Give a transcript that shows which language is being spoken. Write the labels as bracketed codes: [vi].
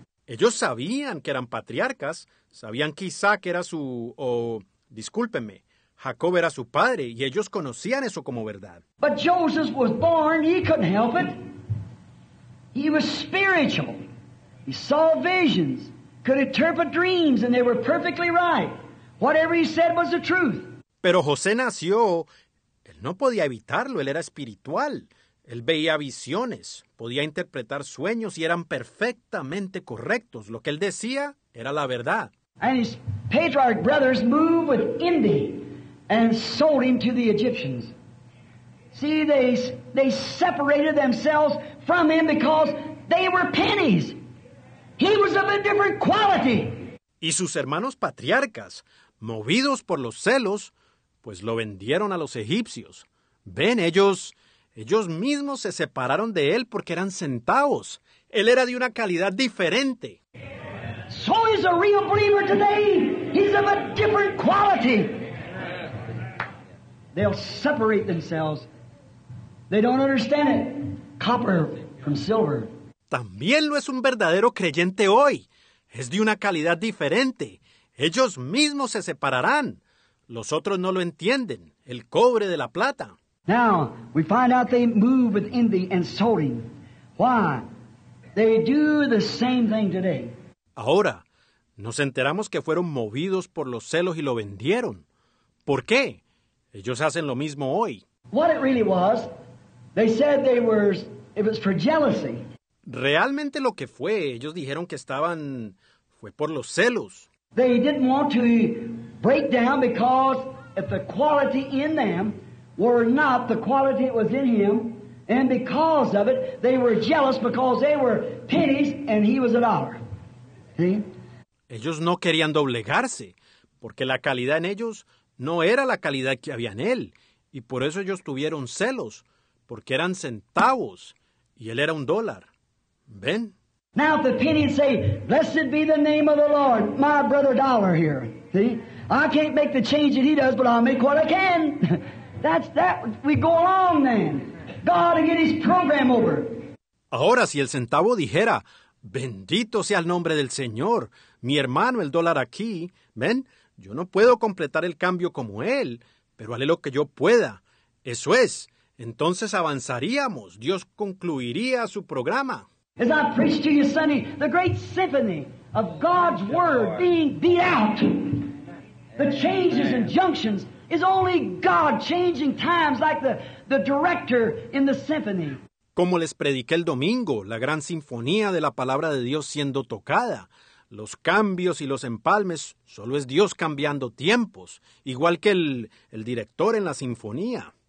[es] Ellos sabían que eran patriarcas, sabían que Isaac era su, discúlpenme, Jacob era su padre, y ellos conocían eso como verdad. [en] But Joseph was born, he couldn't help it. He was spiritual. He saw visions, could interpret dreams, and they were perfectly right. Whatever he said was the truth. [es] Pero José nació, Él no podía evitarlo, él era espiritual. Él veía visiones, podía interpretar sueños y eran perfectamente correctos. Lo que él decía era la verdad. [en] And his patriarch brothers moved with envy and sold him to the Egyptians. See, they separated themselves from him because they were pennies. He was of a different quality. [es] Y sus hermanos patriarcas, movidos por los celos, pues lo vendieron a los egipcios. Ven, ellos mismos se separaron de él porque eran centavos. Él era de una calidad diferente. [en] So is a real believer today. He's of a different quality. They'll separate themselves. They don't understand it. Copper from silver. [es] También lo es un verdadero creyente hoy. Es de una calidad diferente. Ellos mismos se separarán. Los otros no lo entienden. El cobre de la plata. [en] Now, we find out they move with envy and sold him. Why? They do the same thing today. [es] Ahora, nos enteramos que fueron movidos por los celos y lo vendieron. ¿Por qué? Ellos hacen lo mismo hoy. [en] What it really was, they said they were, it was for jealousy. [es] Realmente lo que fue, ellos dijeron que estaban, fue por los celos. [en] They didn't want to break down because if the quality in them were not the quality that was in him, and because of it, they were jealous because they were pennies and he was a dollar. See? [es] Ellos no querían doblegarse, porque la calidad en ellos no era la calidad que había en él, y por eso ellos tuvieron celos, porque eran centavos, y él era un dólar. ¿Ven? [en] Now if the pennies say, blessed be the name of the Lord, my brother dollar here. See? I can't make the change that he does, but I'll make what I can. That's we go along then. God will get his program over. [es] Ahora, si el centavo dijera, bendito sea el nombre del Señor, mi hermano el dólar aquí, ven, yo no puedo completar el cambio como él, pero haré lo que yo pueda. Eso es, entonces avanzaríamos, Dios concluiría su programa. [en] As I preach to you, Sonny, the great symphony of God's word being beat out, the changes and junctions, is only God changing times like the director in the symphony. [es] Como les prediqué el domingo, la gran sinfonía de la palabra de Dios siendo tocada. Los cambios y los empalmes, solo es Dios cambiando tiempos, igual que el director en la sinfonía.